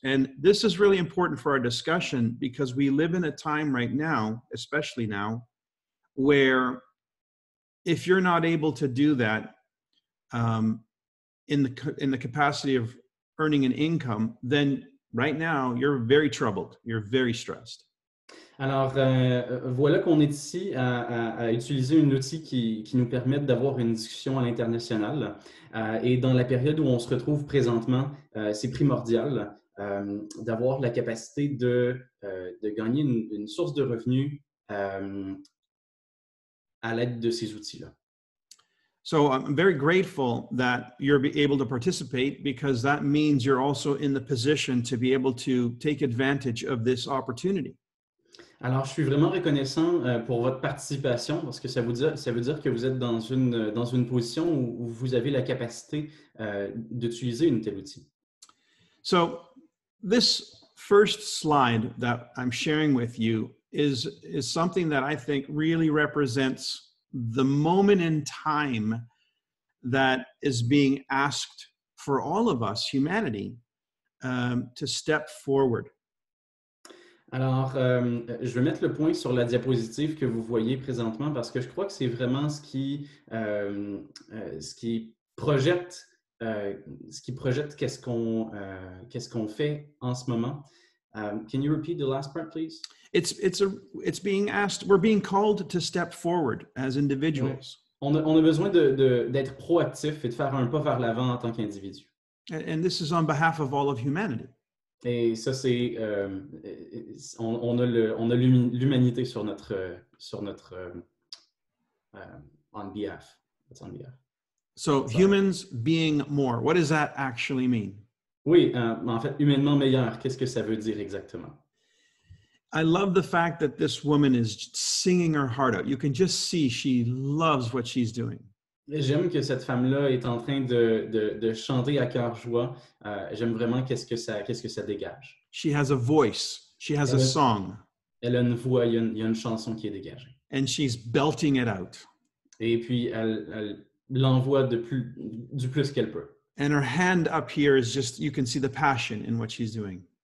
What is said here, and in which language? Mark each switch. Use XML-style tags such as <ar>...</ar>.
<en>And this is really important for our discussion because we live in a time right now, especially now, where if you're not able to do that in the capacity of earning an income, then right now you're very troubled, you're very stressed.</en> <fr>Alors, voilà qu'on est ici à utiliser un outil qui nous permet d'avoir une discussion à l'international. Et dans la période où on se retrouve présentement, c'est primordial d'avoir la capacité de gagner une source de revenus à l'aide de ces outils-là.</fr> <en>So I'm very grateful that you're able to participate because that means you're also in the position to be able to take advantage of this opportunity.</en> <fr>Alors, je suis vraiment reconnaissant pour votre participation parce que ça veut dire que vous êtes dans une position où vous avez la capacité d'utiliser une telle outil.</fr> <en>So this first slide that I'm sharing with you is something that I think really represents the moment in time that is being asked for all of us, humanity, to step forward.</en> <fr>Alors, je vais mettre le point sur la diapositive que vous voyez présentement parce que je crois que c'est vraiment ce qui projette qu'est-ce qu'on fait en ce moment.</fr> <en>Can you repeat the last part, please? It's being asked. We're being called to step forward as individuals.</en> <fr>Ouais. On a besoin d'être proactif et de faire un pas vers l'avant en tant qu'individu.</fr> <en>And this is on behalf of all of humanity.</en> <fr>Et ça, c'est on a l'humanité</fr> <en>on behalf. So sorry. Humans being more. What does that actually mean?</en> <fr>Oui, en fait, humainement meilleur, qu'est-ce que ça veut dire exactement?</fr> <en>I love the fact that this woman is singing her heart out. You can just see she loves what she's doing.</en> <fr>J'aime que cette femme-là est en train de chanter à cœur joie. J'aime vraiment qu'est-ce que ça dégage.</fr> <en>She has a voice. She has a song.</en> <fr>Elle a une voix, il y a une chanson qui est dégagée.</fr> <en>And she's belting it out.</en> <fr>Et puis elle l'envoie du plus qu'elle peut.</fr> <en>And her hand up here is just, you can see the passion in what she's doing.</en>